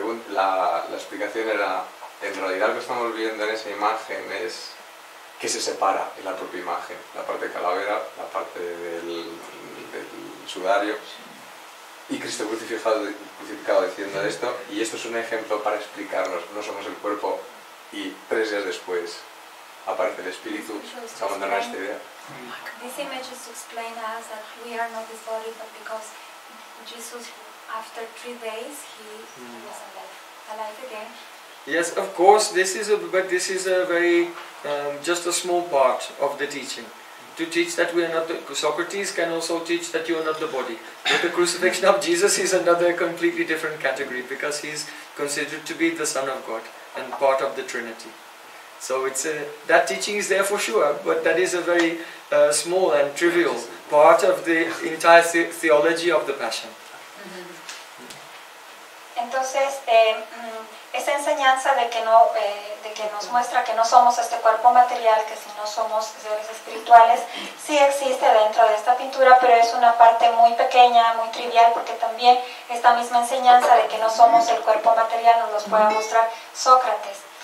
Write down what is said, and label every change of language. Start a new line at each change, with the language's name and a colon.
Spanish: La explicación era, en realidad lo que estamos viendo en esa imagen es que se separa en la propia imagen, la parte de calavera, la parte del sudario, y Cristo crucificado diciendo esto, y esto es un ejemplo para explicarnos, no somos el cuerpo, y 3 días después aparece el Espíritu, se abandona esta idea.
English: This image is to explain to us that we are not this body, but because Jesus, after 3 days, he was alive again. Yes, of course. This is a very just a small part of the teaching. To teach that we are not Socrates can also teach that you are not the body. But the crucifixion of Jesus is another completely different category because he is considered to be the Son of God and part of the Trinity. So it's that teaching is there for sure, but that is a very small and trivial part of the entire theology of the Passion.
Spanish: Entonces, esa enseñanza de que nos muestra que no somos este cuerpo material, que si no somos seres espirituales, sí existe dentro de esta pintura, pero es una parte muy pequeña, muy trivial, porque también esta misma enseñanza de que no somos el cuerpo material nos los puede mostrar Sócrates.